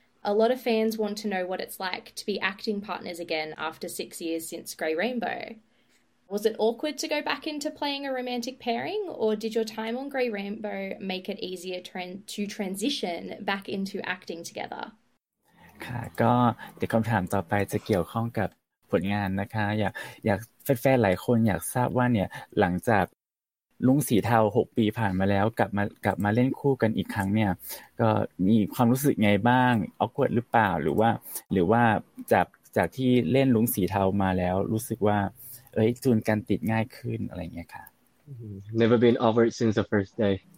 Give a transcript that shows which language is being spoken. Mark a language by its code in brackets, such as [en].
[en] A lot of fans want to know what it's like to be acting partners again after 6 years since Grey Rainbow. Was it awkward to go back into playing a romantic pairing, or did your time on Grey Rainbow make it easier to transition back into acting together? [th] ก็เดี๋ยวคำถามต่อไปจะเกี่ยวข้องกับผลงานนะคะอยากแฟนๆหลายคนอยากทราบว่าเนี่ยหลังจากลุงสีเทา6ปีผ่านมาแล้วกลับมาเล่นคู่กันอีกครั้งเนี่ยก็มีความรู้สึกไงบ้างออกวดหรือเปล่าหรือว่าจากที่เล่นลุงสีเทามาแล้วรู้สึกว่าเอ้ยจูนกันติดง่ายขึ้นอะไรเงี้ยค่ะ [en] Never been awkward since the first day